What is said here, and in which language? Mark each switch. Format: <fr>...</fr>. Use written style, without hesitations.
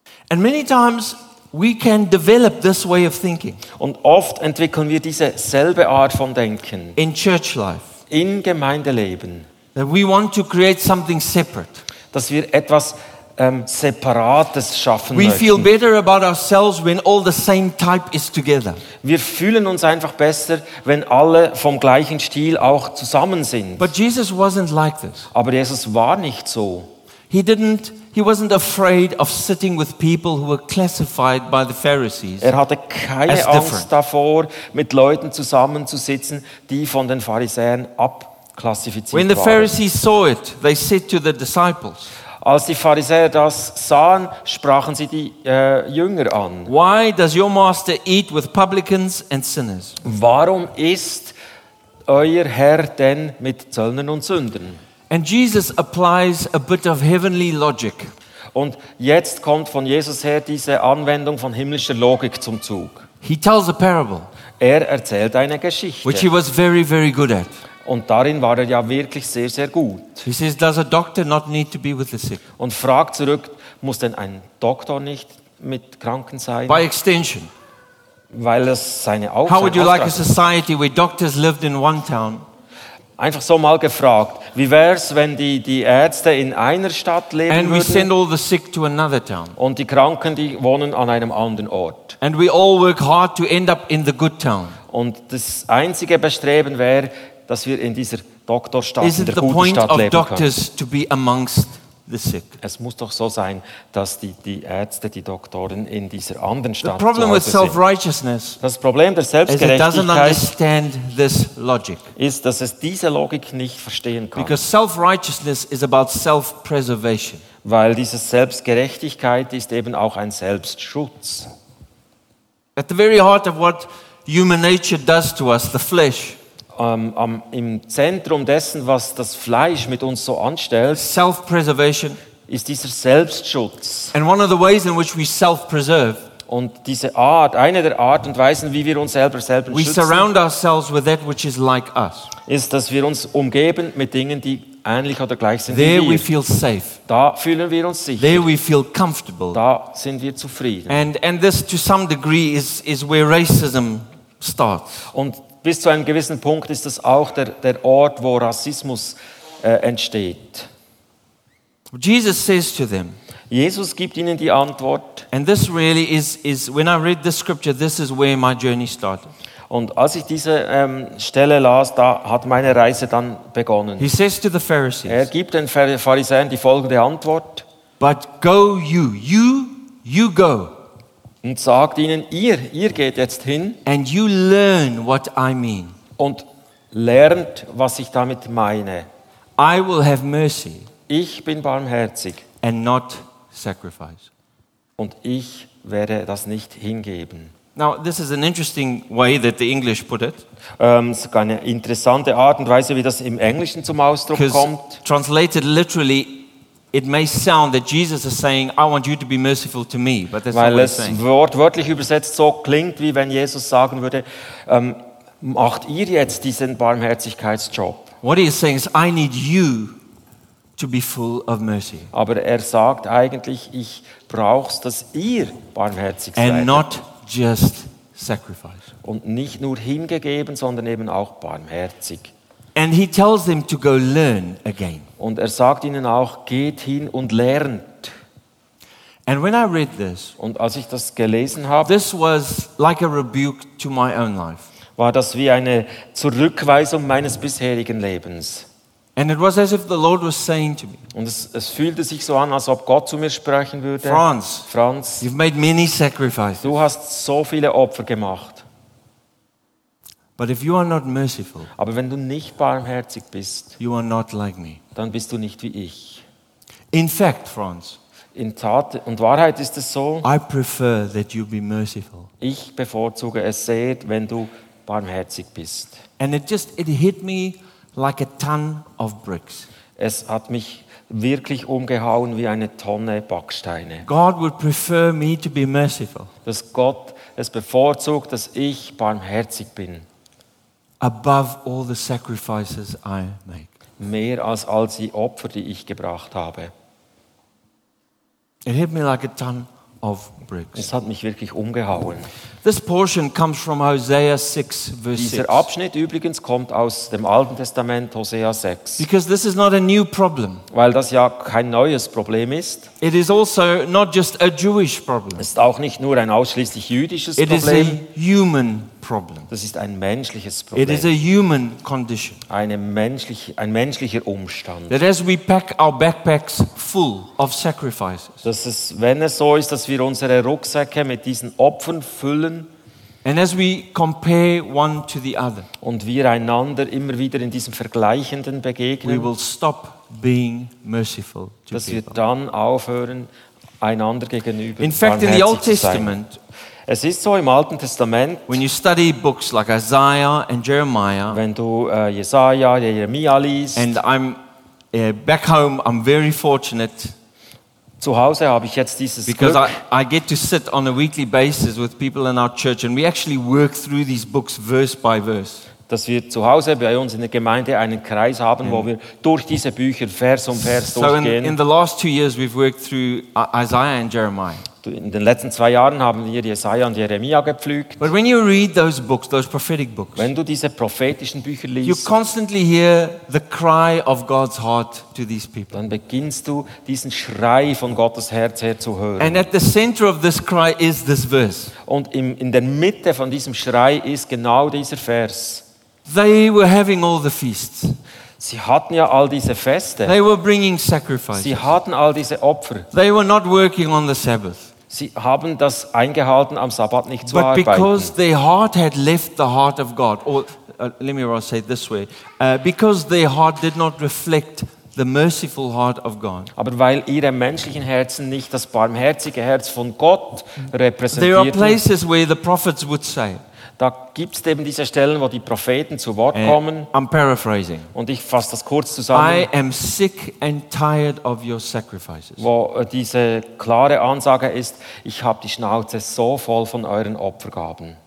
<en>And many times we can develop this way of thinking.</en> <de>Und oft entwickeln wir diese selbe Art von Denken.</de> <en>In church life,</en> <de>in Gemeindeleben,</de> <en>that we want to create something separate.</en> <de>Dass wir etwas Separates schaffen</de> <en>we</en> <de>möchten.</de> <en>Feel better about ourselves when all the same type is together.</en> <de>Wir fühlen uns einfach besser, wenn alle vom gleichen Stil auch zusammen sind.</de> <en>But Jesus wasn't like this.</en> <de>Aber Jesus war nicht so.</de> <en>He wasn't afraid of sitting with people who were classified by the Pharisees.</en> <de>Er hatte keine Angst different. Davor, mit Leuten zusammenzusitzen, die von den Pharisäern abklassifiziert waren.</de> <en>When the Pharisees saw it, they said to the disciples,</en> <de>als die Pharisäer das sahen, sprachen sie die Jünger an.</de> <en>Why does your master eat with publicans and sinners?</en> <de>Warum isst euer Herr denn mit Zöllnern und Sündern?</de> <en>And Jesus applies a bit of heavenly logic.</en> <de>Und jetzt kommt von Jesus her diese Anwendung von himmlischer Logik zum Zug.</de> <en>He tells a parable.</en> <de>Er erzählt eine Geschichte.</de> <en>Which he was very, very good at.</en> <de>Und darin war er ja wirklich sehr, sehr gut.</de> <en>He says, does a doctor not need to be with the sick?</en> <de>Und fragt zurück, muss denn ein Doktor nicht mit Kranken sein?</de> <en>By extension.</en> <de>Weil es seine Aufgabe.</de> <en>How would you like a society where doctors lived in one town?</en> <de>Einfach so mal gefragt, wie wär's, wenn die Ärzte in einer Stadt leben</de> <en>and</en> <de>würden?</de> <en>And we send all the sick to another town.</en> <de>Und die Kranken, die wohnen an einem anderen Ort.</de> <en>And we all work hard to end up in the good town.</en> <de>Und das einzige Bestreben wäre, dass wir in dieser Doktorstadt, in der guten Stadt leben können.</de> <en>To be amongst the sick?</en> <de>Es muss doch so sein, dass die Ärzte, die Doktoren in dieser anderen Stadt</de> <en>the problem</en> <de>zu Hause</de> <en>with self-righteousness</en> <de>sind. Das Problem der Selbstgerechtigkeit</de> <en>is it doesn't understand this logic.</en> <de>Ist, dass es diese Logik nicht verstehen kann.</de> <en>Because self-righteousness is about self-preservation.</en> <de>Weil diese Selbstgerechtigkeit ist eben auch ein Selbstschutz.</de> <en>At the very heart of what human nature does to us, the flesh,</en> <de>im Zentrum dessen, was das Fleisch mit uns so anstellt,</de> <en>self-preservation,</en> <de>ist dieser Selbstschutz.</de> <en>And one of the ways in which we self-preserve,</en> <de>und diese Art, eine der Art und Weisen, wie wir uns selber</de> <en>we</en> <de>schützen,</de> <en>surround ourselves with that which is like us.</en> <de>Ist, dass wir uns umgeben mit Dingen, die ähnlich oder gleich sind</de> <en>there</en> <de>wie wir.</de> <en>We feel safe.</en> <de>Da fühlen wir uns sicher.</de> <en>There we feel comfortable.</en> <de>Da sind wir zufrieden.</de> <en>And this, to some degree, is where racism starts.</en> <de>Und bis zu einem gewissen Punkt ist das auch der Ort, wo Rassismus entsteht.</de> <en>Jesus says to them.</en> <de>Jesus gibt ihnen die Antwort.</de> <en>And this really is when I read this scripture, this is where my journey started.</en> <de>Und als ich diese Stelle las, da hat meine Reise dann begonnen.</de> <en>He says to the Pharisees.</en> <de>Er gibt den Pharisäern die folgende Antwort.</de> <en>But go you go.</en> <de>Und sagt ihnen, ihr geht jetzt hin.</de> <en>And you learn what I mean.</en> <de>Und lernt, was ich damit meine.</de> <en>I will have mercy.</en> <de>Ich bin barmherzig.</de> <en>And not sacrifice.</en> <de>Und ich werde das nicht hingeben.</de> <en>Now, this is an interesting way that the English put it.</en> <de>Es ist eine interessante Art und Weise, wie das im Englischen zum Ausdruck kommt.</de> <en>Translated literally, it may sound that Jesus is saying, I want you to be merciful to me, but that's</en> <de>weil</de> <en>not what he's saying.</en> <de>Weil es wortwörtlich übersetzt so klingt, wie wenn Jesus sagen würde, macht ihr jetzt diesen Barmherzigkeitsjob.</de> <en>What he is saying is, I need you to be full of mercy.</en> <de>Aber er sagt eigentlich, ich brauch's, dass ihr barmherzig</de> <en>and</en> <de>seid.</de> <en>And not just sacrifice.</en> <de>Und nicht nur hingegeben, sondern eben auch barmherzig.</de> <en>And he tells them to go learn again.</en> <de>Und er sagt ihnen auch, geht hin und lernt.</de> <en>And when I read this,</en> <de>und als ich das gelesen habe,</de> <en>this was like a rebuke to my own life.</en> <de>War das wie eine Zurückweisung meines bisherigen Lebens.</de> <en>And it was as if the Lord was saying to me.</en> <de>Und es fühlte sich so an, als ob Gott zu mir sprechen würde.</de> <en>Franz, you've made many sacrifices.</en> <de>Du hast so viele Opfer gemacht.</de> <en>But if you are not merciful,</en> <de>aber wenn du nicht barmherzig bist,</de> <en>you are not like me.</en> <de>Dann bist du nicht wie ich.</de> <en>In fact, Franz,</en> <de>in Tat und Wahrheit ist es so,</de> <en>I prefer that you be merciful.</en> <de>Ich bevorzuge es sehr, wenn du barmherzig bist.</de> <en>And it hit me like a ton of bricks.</en> <de>Es hat mich wirklich umgehauen wie eine Tonne Backsteine.</de> <en>God would prefer me to be merciful.</en> <de>Dass Gott es bevorzugt, dass ich barmherzig bin.</de> <en>Above all the sacrifices I make.</en> <de>Mehr als all die Opfer, die ich gebracht habe.</de> <en>It hit me like a ton of bricks.</en> <de>Es hat mich wirklich umgehauen.</de> <en>This portion comes from Hosea 6, verse 6.</en> <de>Dieser Abschnitt übrigens kommt aus dem Alten Testament, Hosea 6.</de> <en>Because this is not a new problem.</en> <de>Weil das ja kein neues Problem ist.</de> <en>It is also not just a Jewish problem.</en> <de>Es ist auch nicht nur ein ausschließlich jüdisches</de> <en>It</en> <de>Problem.</de> <en>It is a human problem.</en> <de>Das ist ein menschliches Problem.</de> <en>It is a human condition.</en> <de>Ein menschlicher Umstand.</de> <en>That as we pack our backpacks full of sacrifices.</en> <de>Dass es, wenn es so ist, dass wir unsere Rucksäcke mit diesen Opfern füllen.</de> <en>And as we compare one to the other.</en> <de>Und wir einander immer wieder in diesem Vergleichenden begegnen.</de> <en>We will stop being merciful to</en> <de>people. Dass wir dann aufhören, einander gegenüber</de> <en>In fact,</en> <de>barmherzig</de> <en>in the Old Testament.</en> <de>Es ist so im Alten Testament.</de> <en>When you study books like Isaiah and Jeremiah,</en> <de>wenn du Jesaja, Jeremia liest,</de> <en>and I'm back home, I'm very fortunate.</en> <de>Zu Hause habe ich jetzt dieses</de> <en>because</en> <de>Glück.</de> <en>Because I get to sit on a weekly basis with people in our church, and we actually work through these books verse by verse.</en> <de>Dass wir zu Hause bei uns in der Gemeinde einen Kreis haben, wo wir durch diese Bücher Vers um Vers</de> <en>so</en> <de>durchgehen.</de> <en>So in the last 2 years we've worked through Isaiah and Jeremiah.</en> <de>In den letzten 2 Jahren haben wir Jesaja und Jeremia gepflügt.</de> <en>But when you read those books, those prophetic books,</en> <de>wenn du diese prophetischen Bücher liest,</de> <en>you constantly hear the cry of God's heart to these people.</en> <de>Dann beginnst du diesen Schrei von Gottes Herz her zu hören.</de> <en>And at the center of this cry is this verse.</en> <de>Und in der Mitte von diesem Schrei ist genau dieser Vers.</de> <en>They were having all the feasts.</en> <de>Sie hatten ja all diese Feste.</de> <en>They were bringing sacrifices.</en> <de>Sie hatten all diese Opfer.</de> <en>They were not working on the Sabbath.</en> <de>Sie haben das eingehalten, am Sabbat nicht zu</de> <en>But</en> <de>arbeiten.</de> <en>But because their heart had left the heart of God, or let me say it this way, because their heart did not reflect the merciful heart of God.</en> <de>Aber weil ihre menschlichen Herzen nicht das barmherzige Herz von Gott repräsentierten.</de> <en>There are places where the prophets would say.</en> <de>Da gibt es eben diese Stellen, wo die Propheten zu Wort kommen.</de> <en>I'm paraphrasing.</en> <de>Und ich fasse das kurz zusammen.</de> <en>I am sick and tired of your sacrifices.</en> <de>Wo diese klare Ansage ist, ich habe die Schnauze so voll von euren Opfergaben.</de>